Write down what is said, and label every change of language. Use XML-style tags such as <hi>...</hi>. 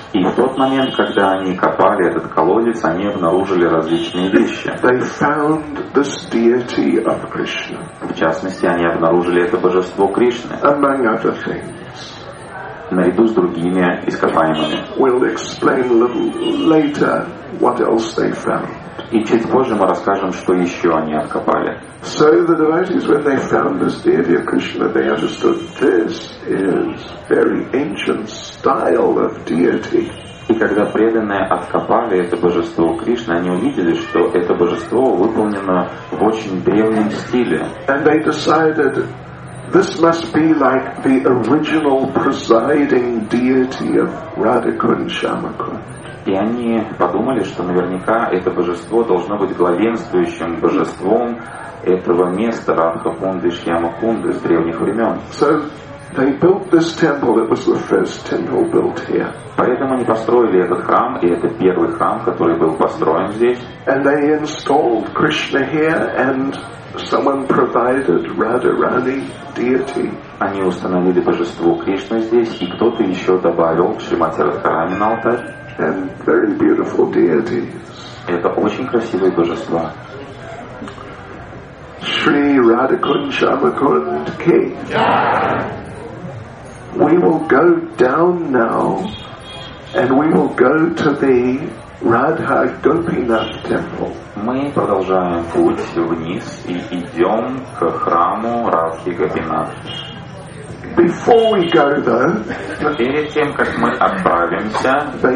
<ru>И в тот момент, когда они копали этот колодец, они обнаружили различные вещи.</ru> <en>They found this deity of Krishna.</en> <ru>В частности, они обнаружили это божество Кришны.</ru> <en>Among other things.</en> <ru>Наряду с другими ископаемыми.</ru> <en>We'll explain a little later what else they found.</en> <ru>И чуть позже мы расскажем, что еще они откопали.</ru> <en>So the devotees, when they found this deity of Krishna, they understood this is very ancient style of deity.</en> <ru>И когда преданные откопали это божество Кришны, они увидели, что это божество выполнено в очень древнем стиле.</ru> <en>And they decided, this must be like the original presiding deity of Radha-Kund, Shyama-Kund.</en> <ru>И они подумали, что наверняка это божество должно быть главенствующим божеством этого места Радха-Кунды, Шьяма-Кунды с древних времен.</ru> <en>So they built this temple. It was the first temple built here.</en> <ru>Поэтому они построили этот храм, и это первый храм, который был построен здесь.</ru> <en>And they installed Krishna here and someone provided Radharani deity.</en> <ru>Они установили божество Кришны здесь, и кто-то еще добавил Шримати Радхарани на алтарь.</ru> <en>And very beautiful deities.</en> <ru>Это очень красивые божества.</ru> <hi>Shri Radhakund Shyamakund Ki.</hi> <en>We will go down now, and we will go to the Radha Gopinath temple.</en> <ru>Мы продолжаем путь вниз и идем к храму Радхи Гопинат.</ru> <en>Before we go there,</en> <ru>перед тем как мы отправимся,</ru>